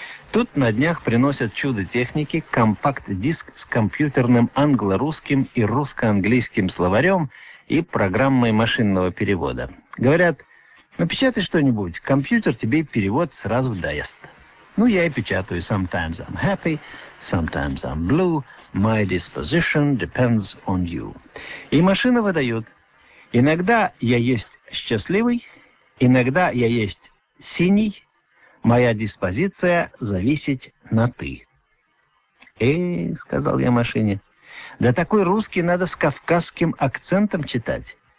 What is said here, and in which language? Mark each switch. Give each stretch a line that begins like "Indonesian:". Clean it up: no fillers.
Russian: Тут на днях приносят чудо техники компакт-диск с компьютерным англо-русским и русско-английским словарем и программой машинного перевода. Говорят, напечатай что-нибудь, компьютер тебе перевод сразу даст. Ну, я и печатаю.
English: Sometimes I'm happy, sometimes I'm blue, my disposition depends on you.
Russian: И машина выдает. Иногда я есть счастливый, иногда я есть синий. Моя диспозиция зависит на ты. Сказал я машине, да такой русский надо с кавказским акцентом читать.